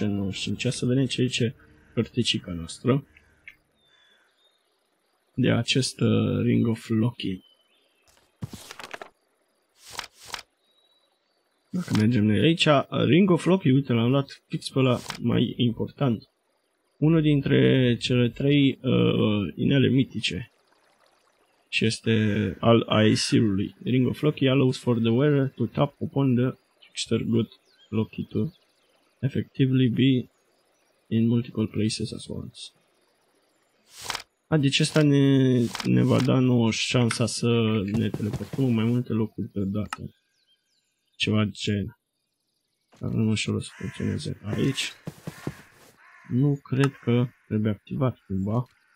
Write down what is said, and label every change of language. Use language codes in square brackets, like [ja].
[ro] Nu știu ce, să vedem ce zice cărticica noastră de acest Ring of Loki. Dacă mergem noi aici, Ring of Loki, uite, l-am luat fix pe ăla mai important. Unul dintre cele trei inele mitice. Și este al Aesirului. [en] Ring of Loki allows for the wearer to tap upon the trickster god Loki to effectively be in multiple places as once. [ro] A, deci ăsta ne va da nouă șansa să ne teleportăm mai multe locuri pe dată. Ceva de gen. Dar nu mă știu să funcționeze aici. Nu cred că trebuie activat cumva.